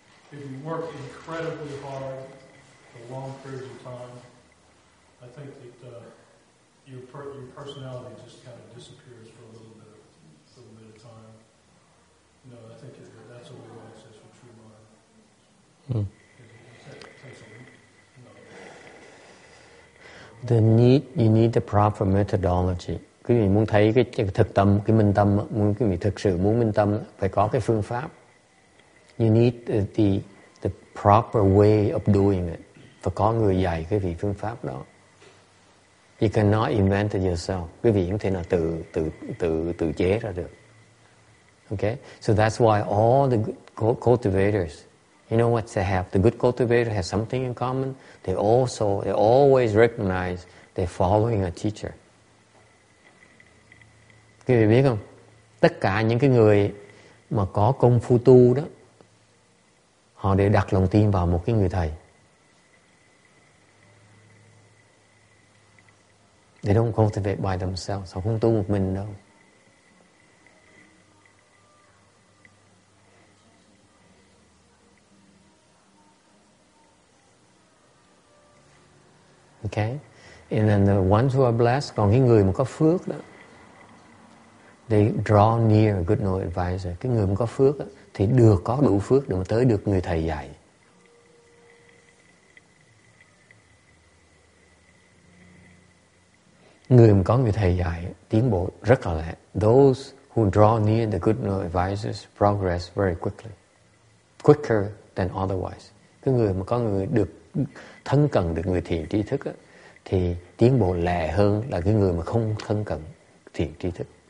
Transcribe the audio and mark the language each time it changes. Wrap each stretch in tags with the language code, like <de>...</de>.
<en>If you work incredibly hard for long periods of time, I think that your personality just kind of disappears for a little bit of time. You know, I think that's a way to access your true mind. You need the proper methodology.</en> <vi>Quý vị muốn thấy cái thực tâm, cái minh tâm, muốn quý vị thực sự muốn minh tâm phải có cái phương pháp.</vi> <en>You need the proper way of doing it.</en> <vi>Phải có người dạy quý vị phương pháp đó.</vi> <en>You cannot invent it yourself.</en> <vi>Quý vị không thể nào tự chế ra được.</vi> <en>Okay? So that's why all the good cultivators, you know what they have? The good cultivator has something in common. They always recognize they're following a teacher.</en> <vi>Quý vị biết không? Tất cả những cái người mà có công phu tu đó, họ đều đặt lòng tin vào một cái người thầy.</vi> <en>They don't cultivate by themselves.</en> <vi>Họ không tu một mình đâu.</vi> <en>Okay? And then the ones who are blessed,</en> <vi>còn cái người mà có phước đó,</vi> <en>they draw near a good noble advisor.</en> <vi>Cái người mà có phước đó, thì được có đủ phước để mà tới được người thầy dạy. Người mà có người thầy dạy tiến bộ rất là lẹ.</vi> <en>Those who draw near the good noble advisors progress very quickly. Quicker than otherwise.</en> <vi>Cái người mà có người được thân cận được người thiện tri thức đó, thì tiến bộ lẹ hơn là cái người mà không thân cận thiện tri thức.</vi>